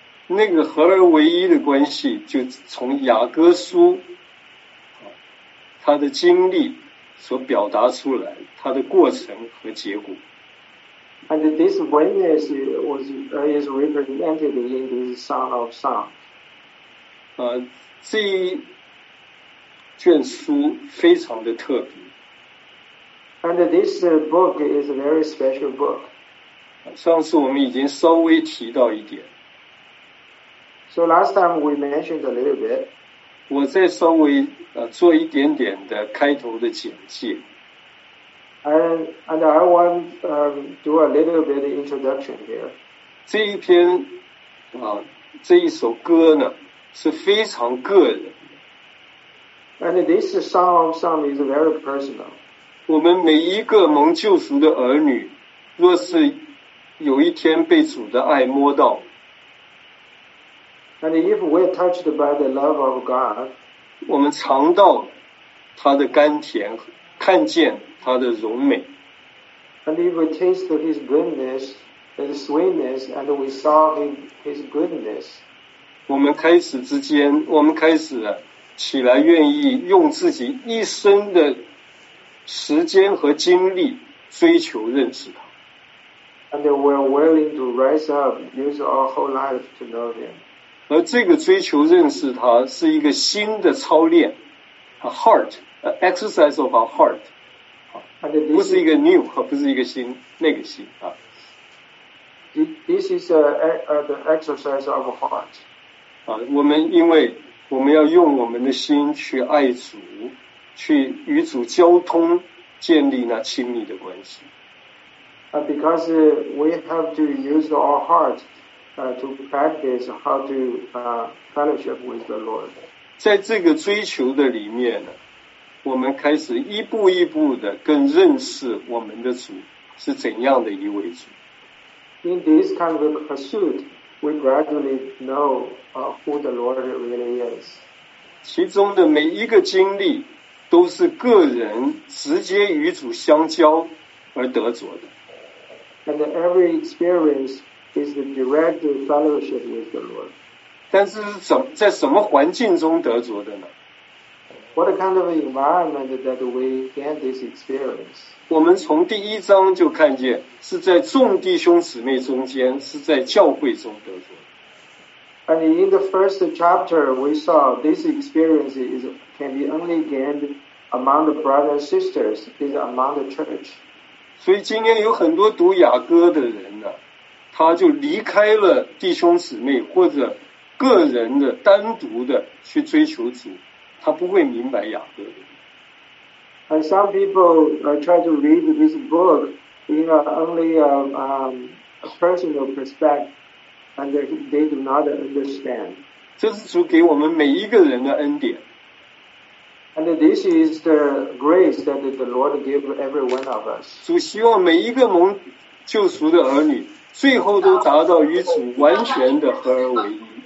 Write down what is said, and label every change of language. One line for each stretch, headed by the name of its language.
Chinese: 那个合而为一的关系就从雅各书他的经历所表达出来，他的过程和结果。
English: And this oneness is represented in this Song of Songs.
Chinese: 这一卷书非常的特别。
English: And this book is a very special book.
Chinese: 上次我们已经稍微提到一点。
English: So last time we mentioned a little bit.
Chinese: 我再稍微做一点点的开头的简介。
English: And I want to do a little bit of introduction here.
Chinese: 这一篇这一首歌呢是非常个人。
English: And this song of song is very personal.
Chinese: 我们每一个蒙救赎的儿女，若是有一天被主的爱摸到
English: ，And if we are touched by the love of God,
Chinese: 我们尝到他的甘甜，看见他的荣美
English: ，And if we taste his goodness, his sweetness, and we saw his goodness,
Chinese: 我们开始之间，我们开始了。起来愿意用自己一生的时间和精力追求认识他。
English: And we're willing to rise up, use our whole life to know him.
Chinese: 而这个追求认识他是一个新的操练 ,
English: a heart, an exercise of our heart.
Chinese: 不是一个 new, 不是一个新那个新。
English: This is the exercise of a heart.
Chinese: 我们因为我们要用我们的心去爱主，去与主交通，建立那亲密的关系。
English: Because we have to use our hearts to practice how to fellowship with the Lord.
Chinese: 在这个追求的里面呢，我们开始一步一步的更认识我们的主是怎样的一位主。
English: In this kind of pursuit, we gradually know. Who the Lord really is.
Chinese: 其中的每一个经历都是个人直接与主相交而得着的。
English: And every experience is the direct fellowship with the Lord.
Chinese: 但是在什么环境中得着的呢？
English: What kind of environment that we get this experience?
Chinese: 我们从第一章就看见是在众弟兄姊妹中间，是在教会中得着。
English: And in the first chapter, we saw this experience can be only gained among the brothers and sisters, is among the church.
Chinese: 所以今天有很多读雅歌的人呢，他就离开了弟兄姊妹或者个人的单独的去追求主，他不会明白雅歌的。
English: And some people try to read this book in only a personal perspective, and they do not understand.
Chinese: 这是主给我们每一个人的恩典。
English: And this is the grace that the Lord gave every one of us.
Chinese: 主希望每一个蒙救赎的儿女，最后都达到与主完全的合而为一。